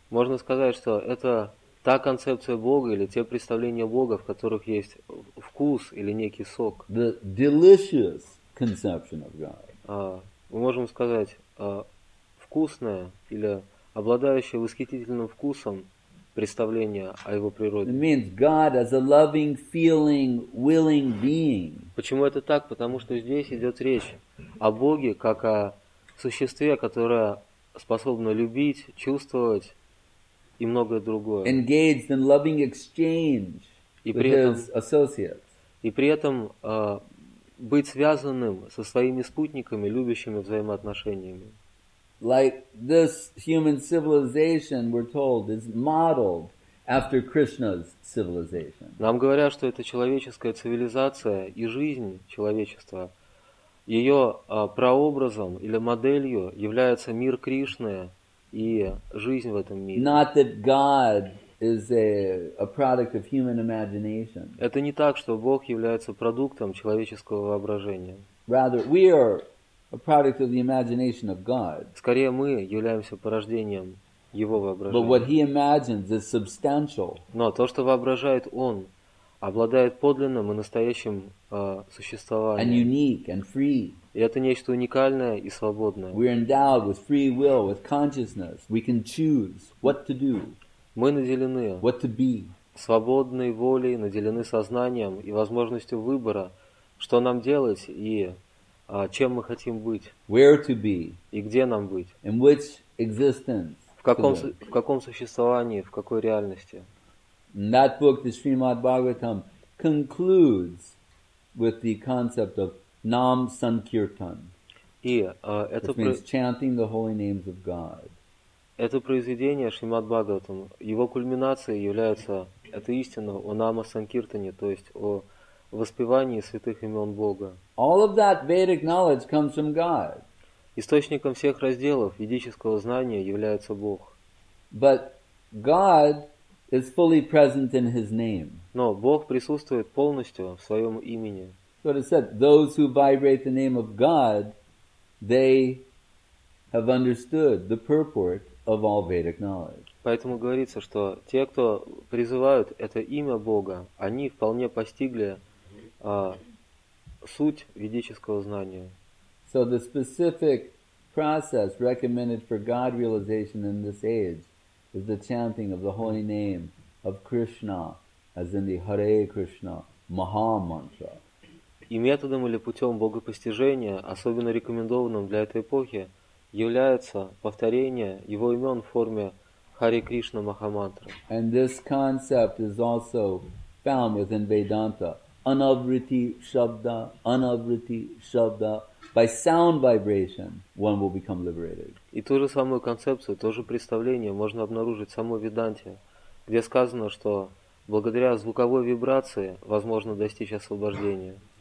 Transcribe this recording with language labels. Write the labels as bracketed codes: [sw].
[ru] Можно сказать, что это та концепция Бога или те представления Бога, в которых есть вкус или некий сок. [en] The delicious conception of God. [ru] Мы можем сказать вкусное или обладающее восхитительным вкусом представление о его природе. [en] It means God as a loving, feeling, willing being. [ru] Почему это так? Потому что здесь идет речь о Боге как о существе, которое способно любить, чувствовать и многое другое. [en] Engaged in loving exchange with his associates. [ru] И при этом быть связанным со своими спутниками, любящими взаимоотношениями. [en] Like this human civilization, we're told, is modeled after Krishna's civilization. [ru] Нам говорят, что эта человеческая цивилизация и жизнь человечества, ее прообразом или моделью является мир Кришны и жизнь в этом мире. [en] Not that God is a product of human imagination. [ru] Это не так, что Бог является продуктом человеческого воображения. [en] Rather, we are a product of the imagination of God. [ru] Скорее, мы являемся порождением Его воображения. [en] But what He imagines is substantial. [ru] Но то, что воображает Он, обладает подлинным и настоящим существованием. [en] And unique and free. [ru] И это нечто уникальное и свободное. [en] We are endowed with free will, with consciousness. We can choose what to do. [ru] Мы наделены [en] what to be. [ru] Свободной волей, наделены сознанием и возможностью выбора, что нам делать и чем мы хотим быть. [en] Where to be. [ru] И где нам быть. [en] In which existence. [ru] В каком существовании, в какой реальности. [en] And that book, the Srimad Bhagavatam, concludes with the concept of Nam Sankirtan, which means chanting the holy names of God. [ru] Это произведение Шримад Бхагаватам, его кульминацией является эта истина о Нама Санкиртане, то есть о воспевании святых имен Бога. [en] All of that Vedic knowledge comes from God. [ru] Источником всех разделов ведического знания является Бог. [en] But God is fully present in His name. [ru] Но Бог присутствует полностью в своем имени. [en] So it is said, those who vibrate the name of God, they have understood the purport of all Vedic knowledge. [ru] Поэтому говорится, что те, кто призывают это имя Бога, они вполне постигли суть ведического знания. [en] So the specific process recommended for God realization in this age is the chanting of the holy name of Krishna, as in the Hare Krishna Maha Mantra. [ru] И методом или путем богопостижения, особенно рекомендованным для этой эпохи, является повторение его имен в форме Хари Кришна Махамантра. [en] And this concept is also found within Vedanta. [sa] Anavriti Shabda, Anavriti Shabda. [en] By sound vibration, one will become liberated. [ru] И ту же самую концепцию, то же представление можно обнаружить в самой Веданте, где сказано, что благодаря звуковой вибрации возможно достичь освобождения.